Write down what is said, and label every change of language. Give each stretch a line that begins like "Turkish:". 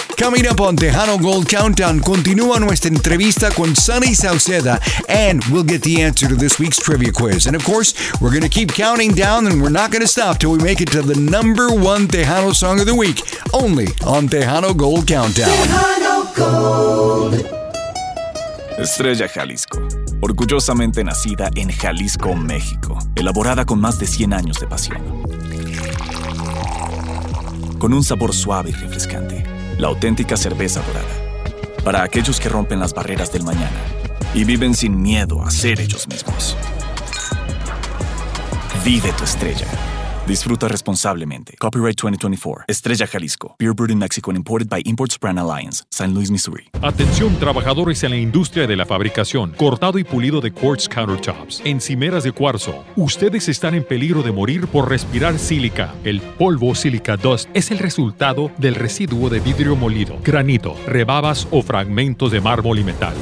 English: Coming up on Tejano Gold Countdown,
Spanish: continúa nuestra entrevista con
English: Sunny Sauceda, and we'll get the answer to this week's trivia quiz. And of course, we're going to keep counting down, and we're not going to stop till we make it to the number 1 Tejano song of the week, only on Tejano Gold Countdown.
Spanish: Estrella Jalisco, orgullosamente nacida en Jalisco, México, elaborada con más de 100 años de pasión. Con un sabor suave y refrescante, la auténtica cerveza dorada. Para aquellos que rompen las barreras del mañana y viven sin miedo a ser ellos mismos. Vive tu estrella. Disfruta responsablemente. Copyright 2024. Estrella Jalisco.
English: Beer brewed in Mexico and imported by Imports Brand Alliance.
Spanish: San Luis, Missouri. Atención, trabajadores en la industria de la fabricación. Cortado y pulido de
English: quartz countertops.
Spanish: Encimeras de cuarzo. Ustedes están en peligro de morir por respirar sílica. El polvo sílica dust es el resultado del residuo de vidrio molido, granito, rebabas o fragmentos de mármol y metal.